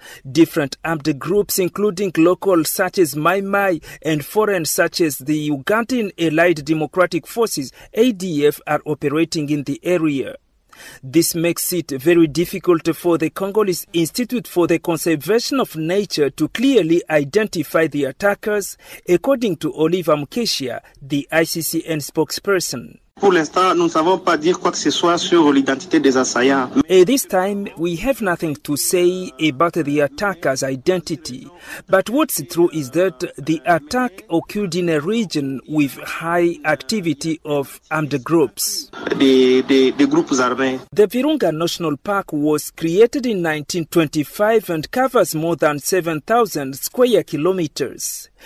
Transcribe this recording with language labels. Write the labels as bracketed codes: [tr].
[en] Different armed groups, including local such as Mai Mai and foreign such as the Ugandan Allied Democratic Forces, ADF, are operating in the area. This makes it very difficult for the Congolese Institute for the Conservation of Nature to clearly identify the attackers, according to Oliver Mukeshia, the ICCN spokesperson. [fr] Pour l'instant, nous ne savons pas dire quoi que ce soit sur l'identité des assaillants. [en] At this time, we have nothing to say about the attacker's identity. But what's true is that the attack occurred in a region with high activity of armed groups. The groups armed. The Virunga National Park was created in 1925 and covers more than 7,000 square kilometers.